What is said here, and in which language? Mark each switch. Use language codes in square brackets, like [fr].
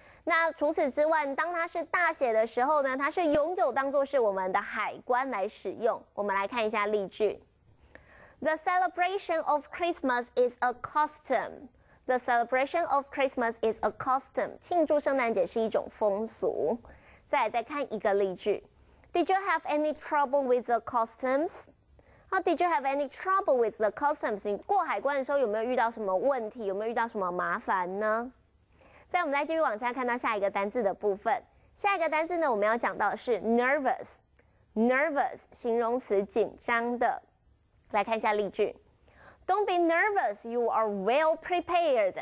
[zh] 那除此之外，当它是大写的时候呢，它是永久当作是我们的海关来使用。我们来看一下例句 [en] ：The celebration of Christmas is a custom. The celebration of Christmas is a custom. [zh] 庆祝圣诞节是一种风俗。再看一个例句 [en] ：Did you have any trouble with the customs? Did you have any trouble with the customs? [zh] 你过海关的时候有没有遇到什么问题？有没有遇到什么麻烦呢？在我们再继续往下看到下一个单字的部分。下一个单字呢，我们要讲到的是 nervous。nervous 形容词，紧张的。来看一下例句 [en] ：Don't be nervous, you are well prepared.